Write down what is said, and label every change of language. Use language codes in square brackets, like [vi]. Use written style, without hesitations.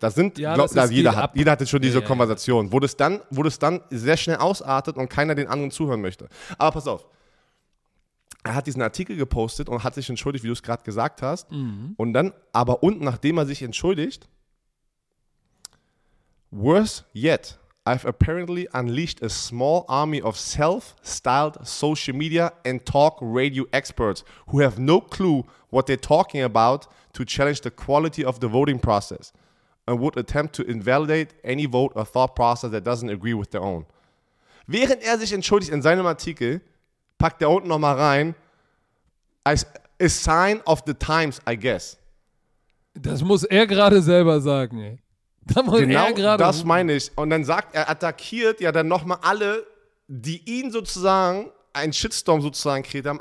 [de] Da sind, ja, glaub, jeder hatte schon diese Konversation, wo das dann sehr schnell ausartet und keiner den anderen zuhören möchte. Aber pass auf. Er hat diesen Artikel gepostet und hat sich entschuldigt, wie du es gerade gesagt hast. Mhm. Und dann, aber unten, nachdem er sich entschuldigt, [en] worse yet, I've apparently unleashed a small army of self-styled social media and talk radio experts who have no clue what they're talking about to challenge the quality of the voting process and would attempt to invalidate any vote or thought process that doesn't agree with their own. [de] Während er sich entschuldigt in seinem Artikel, packt er unten nochmal rein, [en] as a sign of the times, I guess. [de] Das muss er gerade selber sagen, ey. Das meine ich. Und dann sagt er, attackiert ja dann nochmal alle, die ihn sozusagen, einen Shitstorm sozusagen kreiert haben.